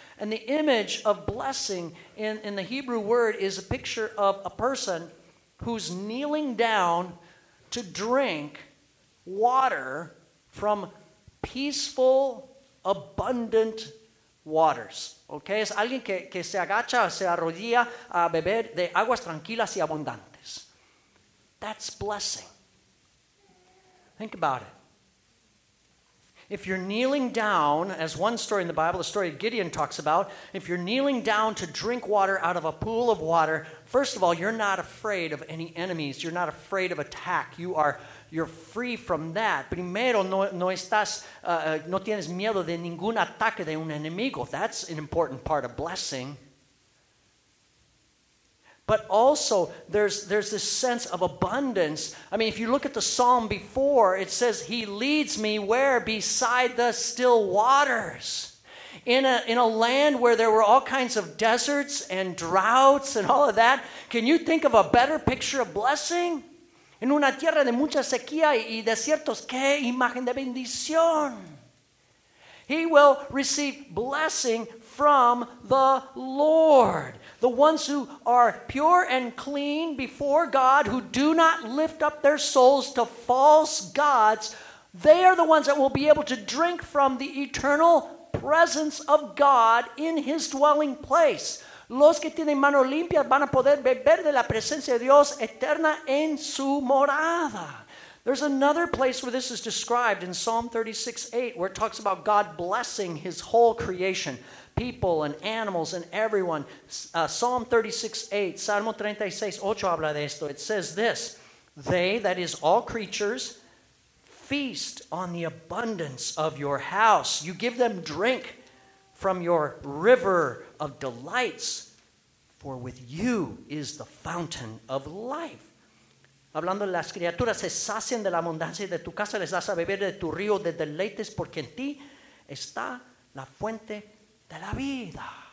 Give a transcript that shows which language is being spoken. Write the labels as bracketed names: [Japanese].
[English] And the image of blessing in the Hebrew word is a picture of a person who's kneeling down to drink water from peaceful, abundant waters. [Spanish] Okay, es alguien que se agacha, se arrodilla a beber de aguas tranquilas y abundantes. [English] That's blessing. Think about it. If you're kneeling down, as one story in the Bible, the story of Gideon talks about, if you're kneeling down to drink water out of a pool of water, first of all, you're not afraid of any enemies. You're not afraid of attack. You're free from that. [Spanish] Primero, no tienes miedo de ningún ataque de un enemigo. [English] That's an important part of blessing. But also, there's this sense of abundance. I mean, if you look at the psalm before, it says, he leads me where? Beside the still waters. In a land where there were all kinds of deserts and droughts and all of that, can you think of a better picture of blessing? [Spanish] En una tierra de mucha sequía y desiertos, ¿qué imagen de bendición? [English] He will receive blessing from the Lord. The ones who are pure and clean before God, who do not lift up their souls to false gods, they are the ones that will be able to drink from the eternal presence of God in his dwelling place. [Spanish] Los que tienen manos limpias van a poder beber de la presencia de Dios eterna en su morada. [English] There's another place where this is described in Psalm 36:8, where it talks about God blessing his whole creation. People and animals and everyone. Psalm 36:8 [Spanish] habla de esto. [English] It says this, they, that is all creatures, feast on the abundance of your house. You give them drink from your river of delights, for with you is the fountain of life. [Spanish] Hablando de las criaturas, se sacian de la abundancia de tu casa, les das a beber de tu río de deleites, porque en ti está la fuente de la vida.